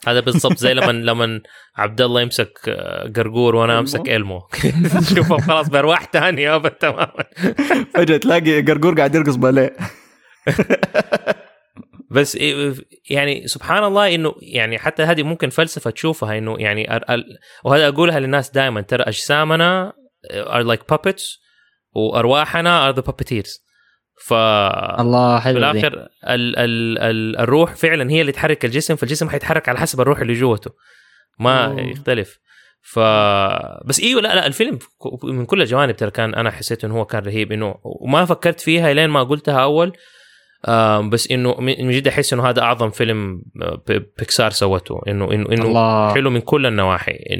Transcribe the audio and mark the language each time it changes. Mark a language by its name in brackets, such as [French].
[Arabic] هذا بالضبط زي لما عبد الله يمسك قرقور وانا امسك إلمو شوفه خلاص بأرواح تانية ابد تماما فجأة تلاقي قرقور قاعد يرقص باليه بس يعني سبحان الله انه يعني حتى هذه ممكن فلسفه تشوفها انه يعني وهذا اقولها للناس دائما ترى اجسامنا [English] are like puppets وأرواحنا are the puppeteers. [Arabic] ف الله حلو في الاخر ال- ال- ال- الروح فعلا هي اللي تحرك الجسم، فالجسم حيتحرك على حسب الروح اللي جوته ما يختلف. ف بس ايوه لا لا الفيلم من كل الجوانب ترى كان انا حسيت انه هو كان رهيب، انه وما فكرت فيها لين ما قلتها اول، بس انه من جد احس انه هذا اعظم فيلم بيكسار سوته، انه حلو من كل النواحي.